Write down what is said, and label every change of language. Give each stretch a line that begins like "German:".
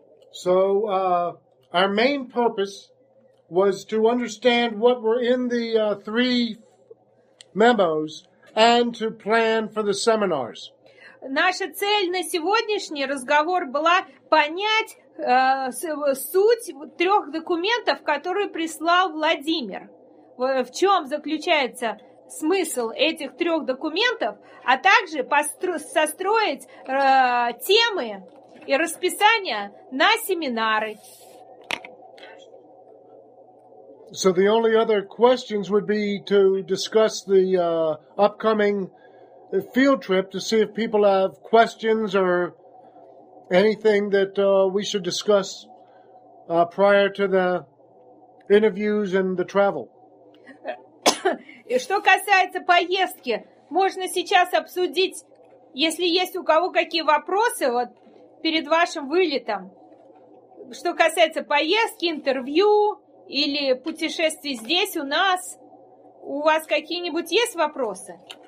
English: So, our main purpose was to understand what were in the three memos and to plan for the seminars.
Russian: Наша цель на сегодняшний разговор была понять суть трех документов, которые прислал Владимир. В чем заключается смысл этих трех документов, а также состроить темы и расписание на семинары.
English: So the only other questions would be to discuss the upcoming field trip to see if people have questions or anything that we should discuss prior to the interviews and the travel.
Russian: И что касается поездки, можно сейчас обсудить, если есть у кого какие вопросы вот перед вашим вылетом. Что касается поездки, интервью или путешествий здесь у нас, у вас какие-нибудь есть вопросы?